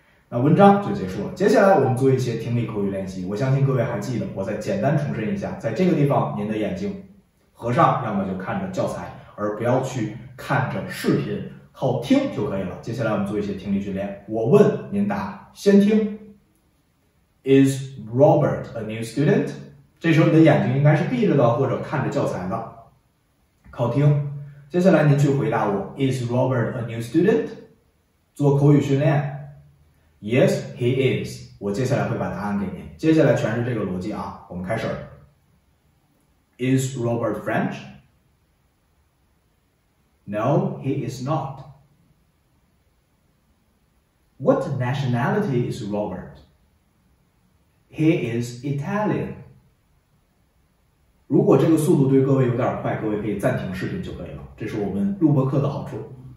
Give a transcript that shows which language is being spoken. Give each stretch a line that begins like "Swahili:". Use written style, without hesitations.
Chinese: 那文章就结束了，接下来我们做一些听力口语练习。我相信各位还记得，我再简单重申一下，在这个地方您的眼睛合上，要么就看着教材，而不要去看着视频，靠听就可以了。接下来我们做一些听力训练，我问您答，先听
English: Is Robert a new student?
Chinese: 这时候你的眼睛应该是闭着的或者看着教材的，靠听。接下来您去回答我
English: Is Robert a new student?
Chinese: 做口语训练，
English: Yes, he is.
Chinese: 我接下来会把答案给您。接下来全是这个逻辑啊，我们开始。
English: Is Robert French? No, he is not. What nationality is Robert? He is Italian.
Chinese: 如果这个速度对各位有点快，各位可以暂停视频就可以了。这是我们录播课的好处。